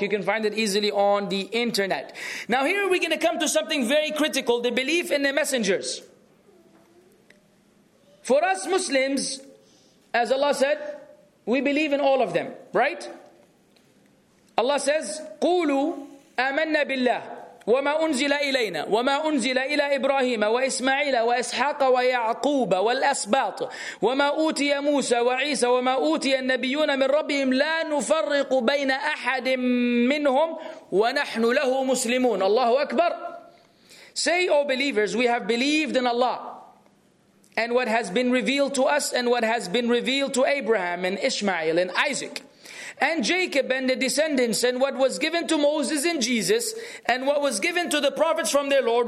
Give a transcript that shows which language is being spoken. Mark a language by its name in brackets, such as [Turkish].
[English] You can find it easily on the internet. Now here we're going to come to something very critical, the belief in the messengers. For us Muslims, as Allah said, we believe in all of them, right? Allah says, [Arabic] قُولُوا أَمَنَّ بِاللَّهِ وما أنزل إلينا وما أنزل إلى إبراهيم وإسماعيل وإسحاق ويعقوب والأسباط وما أوتي موسى وعيسى وما أوتي النبيون من ربهم لا نفرق بين أحد منهم ونحن له مسلمون. الله أكبر. [English] Say, O believers, we have believed in Allah and what has been revealed to us and what has been revealed to Abraham and Ishmael and Isaac and Jacob and the descendants and what was given to Moses and Jesus and what was given to the prophets from their Lord.